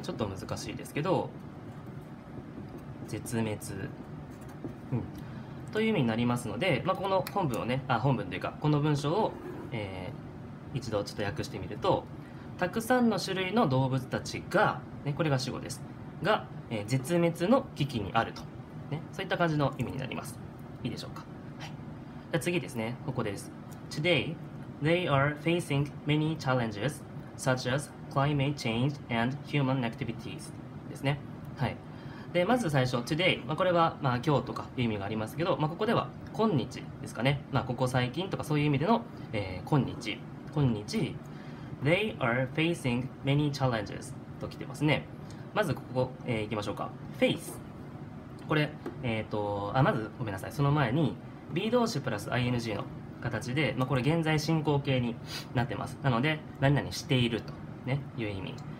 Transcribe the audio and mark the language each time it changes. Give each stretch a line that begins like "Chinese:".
Japanese: ちょっと難しいですけど、絶滅、うん、という意味になりますので、まあ、この本文をね、本文というか、この文章を、一度ちょっと訳してみると、たくさんの種類の動物たちが、ね、これが主語です。が、絶滅の危機にあると、ね。そういった感じの意味になります。いいでしょうか。はい、じゃ次ですね、ここです。
English: Today, they are facing many challenges, such as climate change and human activities.
Japanese: ですね。はい、で、まず最初、today、まあ、これは、まあ、今日とかいう意味がありますけど、まあ、ここでは今日ですかね、まあ、ここ最近とかそういう意味での、今日、今日、
English: they are facing many challenges
Japanese: と来てますね。まずここ、行きましょうか。face、これ、まずごめんなさい、その前に、be 動詞プラス ing の形で、まあ、これ現在進行形になってます。なので、何々しているという意味。